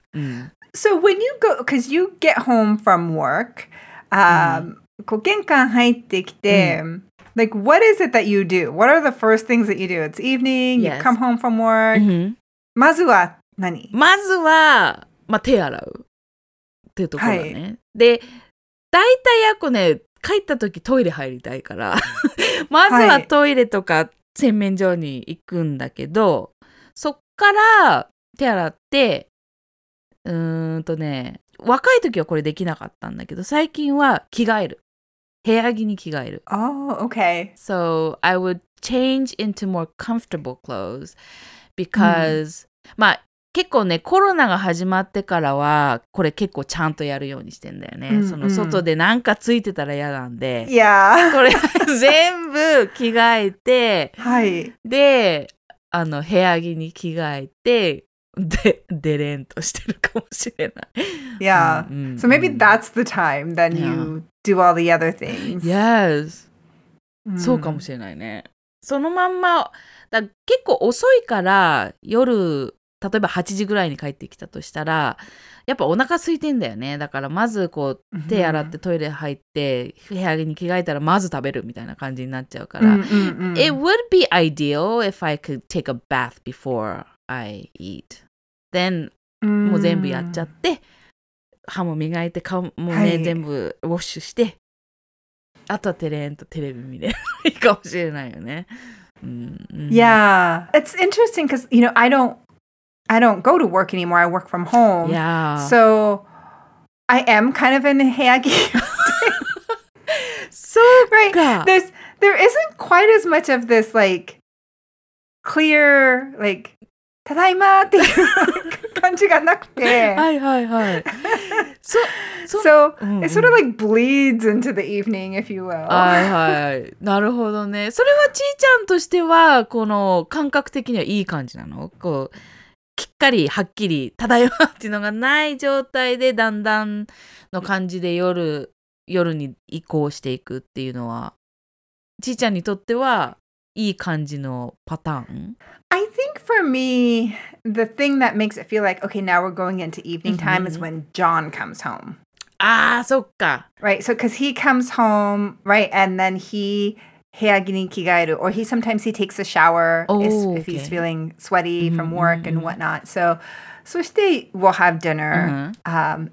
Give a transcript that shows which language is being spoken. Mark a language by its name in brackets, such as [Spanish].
[English] うん、so when you go, because you get home from work,、 [Japanese] こう玄関入ってきて、 [English] like what is it that you do? What are the first things that you do? It's evening,、yes. you come home from work.、Mm-hmm. [Japanese] まずは何? まずは、まあ、手洗うっていうところだね。はい、で、だいたいやこね、帰ったときトイレ入りたいから、まずはトイレとか洗面所に行くんだけど、そっから手洗って、ね、若い時はこれできなかったんだけど、最近は着替える。部屋着に着替える。 [English] Oh, okay. So, I would change into more comfortable clothes because,、mm. [Japanese] まあ、結構ね、コロナが始まってからは、これ結構ちゃんとやるようにしてんだよね。 [English] Mm-hmm. [Japanese] その外でなんかついてたら嫌なんで。 [English] Yeah. [Japanese] これ全部着替えて、はい。で、あの、部屋着に着替えて、デレンとしてるかもしれない。 [English] Yeah. So maybe that's the time then you do all the other things. Yes. [Japanese] そうかもしれないね。そのまんま、だ結構遅いから夜、例えば8時ぐらいに帰ってきたとしたら、やっぱお腹空いてんだよね。だからまずこう手洗ってトイレ入って、部屋着に着替えたらまず食べるみたいな感じになっちゃうから。 [English] It would be ideal if I could take a bath before. I eat. Then,、mm. [Japanese] もう全部やっちゃって、歯も磨いて、顔もね、はい、全部ウォッシュして、あとはテレーンとテレビ見ればいいかもしれないよね。 [English] Yeah, it's interesting because, you know, I don't go to work anymore. I work from home. Yeah. So, I am kind of in a 部屋着. So, right. There isn't quite as much of this, like, clear, like, [Japanese] ただいまっていう感じがなくて。はいはいはい。 [English] So, it sort of like bleeds into the evening, if you will. [Japanese] はいはい。なるほどね。それはちーちゃんとしては、この感覚的にはいい感じなの? こう、きっかりはっきり、ただいまっていうのがない状態で、だんだんの感じで夜に移行していくっていうのは、ちーちゃんにとっては、いい感じのパターン? [English] I think for me, the thing that makes it feel like, okay, now we're going into evening time、mm-hmm. is when John comes home. [Japanese] Ah, そっか。 [English] Right, so because he comes home, right, and then he [Japanese] 部屋着に着替える [English] or he sometimes he takes a shower、 oh, if、 okay. he's feeling sweaty from work、mm-hmm. and whatnot. So して we'll have dinner、mm-hmm.